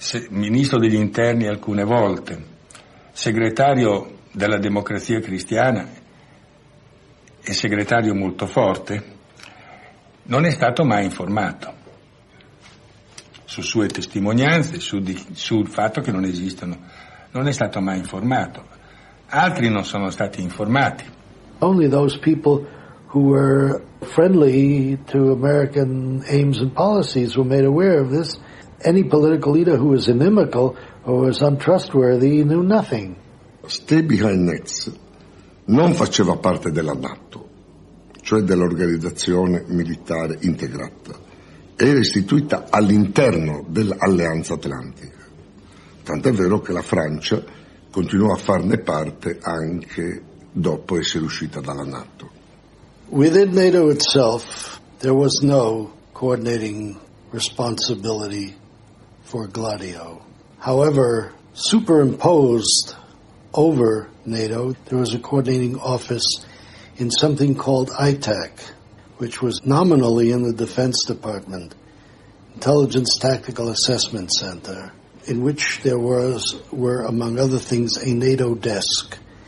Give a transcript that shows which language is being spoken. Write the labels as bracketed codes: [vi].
[it] ministro degli interni alcune volte, segretario della Democrazia Cristiana e segretario molto forte, non è stato mai informato su sue testimonianze, sul fatto che non esistono. Non è stato mai informato. Altri non sono stati informati. [en] Only those people who were friendly to American aims and policies were made aware of this. Any political leader who was inimical or was untrustworthy knew nothing. [it] Stebiheinetz non faceva parte della NATO, cioè dell'organizzazione militare integrata. Era istituita all'interno dell'Alleanza Atlantica. Tant'è vero che la Francia continuò a farne parte anche dopo essere uscita dalla NATO. [en] Within NATO itself, there was no coordinating responsibility for Gladio. However, superimposed over NATO, there was a coordinating office in something called ITAC, which was nominally in the Defense Department, Intelligence Tactical Assessment Center, in which there were, among other things, a NATO desk.